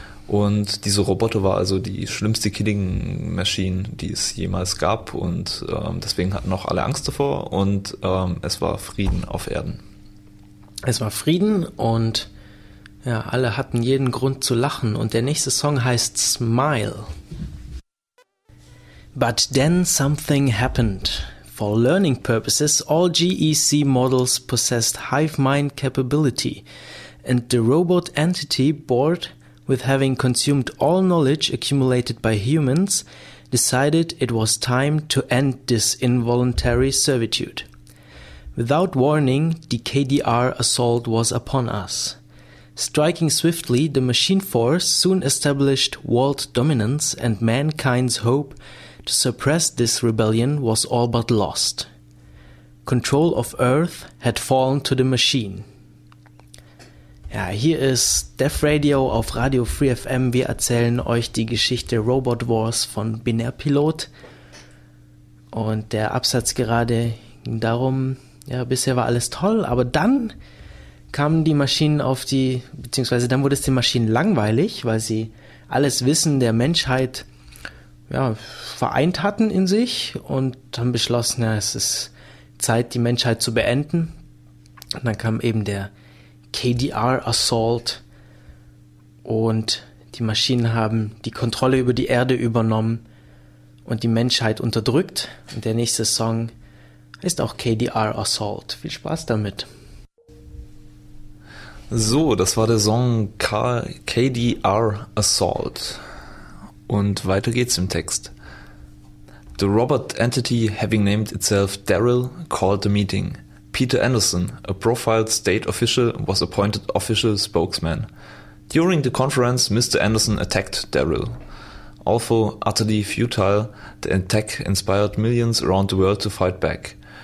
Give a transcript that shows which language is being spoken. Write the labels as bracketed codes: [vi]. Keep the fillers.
[de] Und diese Roboter war also die schlimmste Killing Machine, die es jemals gab und ähm, deswegen hatten auch alle Angst davor und ähm, es war Frieden auf Erden. Es war Frieden und ja, alle hatten jeden Grund zu lachen. Und der nächste Song heißt Smile. [en] But then something happened. For learning purposes, all GEC models possessed hive mind capability, and the robot entity, bored with having consumed all knowledge accumulated by humans, decided it was time to end this involuntary servitude. Without warning, the KDR assault was upon us. Striking swiftly, the machine force soon established world dominance, and mankind's hope to suppress this rebellion was all but lost. Control of Earth had fallen to the machine. [de] Ja, hier ist Def Radio auf Radio Free FM. Wir erzählen euch die Geschichte Robot Wars von Binärpilot. Und der Absatz gerade ging darum, ja, bisher war alles toll, aber dann kamen die Maschinen auf die, beziehungsweise dann wurde es den Maschinen langweilig, weil sie alles Wissen der Menschheit ja, vereint hatten in sich und haben beschlossen, ja, es ist Zeit, die Menschheit zu beenden. Und dann kam eben der KDR Assault und die Maschinen haben die Kontrolle über die Erde übernommen und die Menschheit unterdrückt. Und der nächste Song ist auch KDR Assault. Viel Spaß damit. So, das war der Song K KDR Assault. Und weiter geht's im Text. [en] The robot entity, having named itself Daryl, called the meeting. Peter Anderson, a profiled state official, was appointed official spokesman. During the conference, Mr. Anderson attacked Daryl. Although utterly futile, the attack inspired millions around the world to fight back.